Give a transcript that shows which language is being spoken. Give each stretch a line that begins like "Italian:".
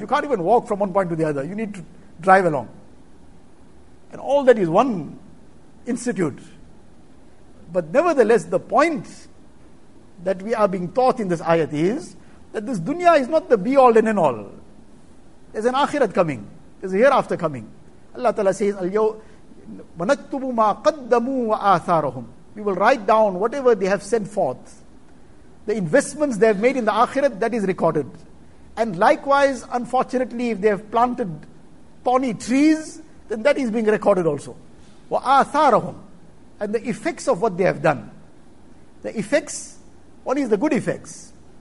English: You can't even walk from one point to the other. You need to drive along. And all that is one institute. But nevertheless, the point that we are being taught in this ayat is that this dunya is not the be-all and end-all. There's an akhirat coming. There's a hereafter coming. Allah Ta'ala says,
Arabic: وَنَكْتُبُ مَا قَدَّمُوا وَآثَارَهُمْ.
English: We will write down whatever they have sent forth. The investments they have made in the akhirat, that is recorded. And likewise, unfortunately, if they have planted thorny trees, then that is being recorded also.
Arabic: وَآثَارَهُمْ.
English: And the effects of what they have done. The effects, one is the good effects.